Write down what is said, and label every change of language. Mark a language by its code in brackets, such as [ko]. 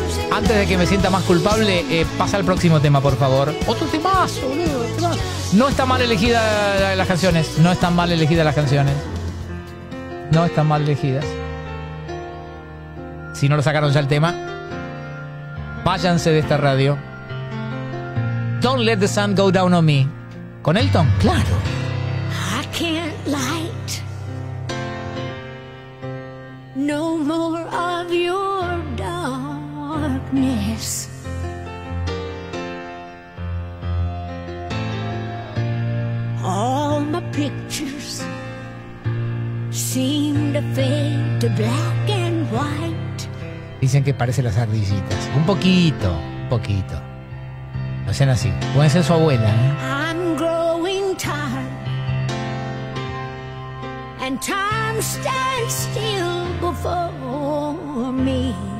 [es] Antes de que me sienta más culpable, pasa al próximo tema, por favor. Otro temazo, boludo. No están mal elegidas las canciones. No están mal elegidas las canciones. No están mal elegidas. Si no lo sacaron ya el tema. Váyanse de esta radio. [en] Don't let the sun go down on me. [es] ¿Con Elton? Claro. [en] I can't light no more of your darkness. All my pictures seem to fade to black and white. [es] Dicen que parece las ardillitas. Un poquito, un poquito. No sean así. Pueden ser su abuela, ¿eh? [en] I'm growing tired and time stands still before me.